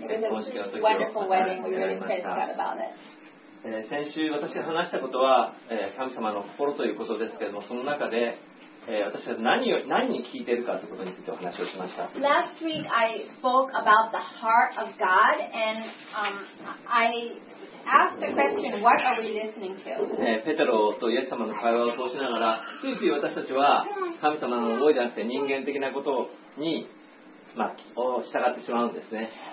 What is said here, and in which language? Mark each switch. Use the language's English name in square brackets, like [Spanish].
[English] was a wonderful wedding. We really praised God about it. [Japanese] 先週私が話したことは神様の心ということですけれども、その中で私は何に聞いているかということについてお話をしました。 [English] Last week I spoke about the heart of God and I asked the question, what are we listening to? [Japanese] ペテロとイエス様の会話を通しながら、ついつい私たちは神様の思いじゃなくて人間的なことに、まあ、を従ってしまうんですね。